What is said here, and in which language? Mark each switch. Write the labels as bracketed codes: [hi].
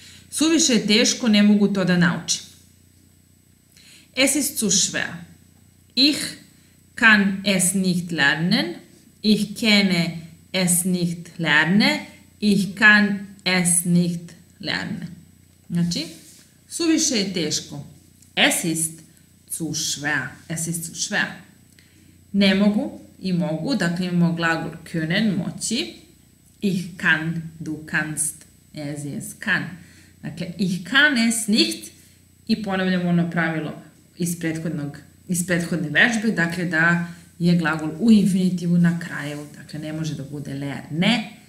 [sr] Suviše je teško, ne mogu to da naučim. [de] Es ist zu schwer. Ich kann es nicht lernen. Ich kenne es nicht lernen. Ich kann es nicht lernen. [sr] Znači, suviše je teško. [de] Es ist zu schwer. Es ist zu schwer. [sr] Ne mogu i mogu, dakle imamo glagol können, moći. [de] Ich kann, du kannst, es ist kann. [sr] Dakle, [de] ich kann es nicht [sr] i ponavljamo ono pravilo iz prethodne vežbe, dakle da je glagol u infinitivu na kraju, dakle ne može da bude lerne,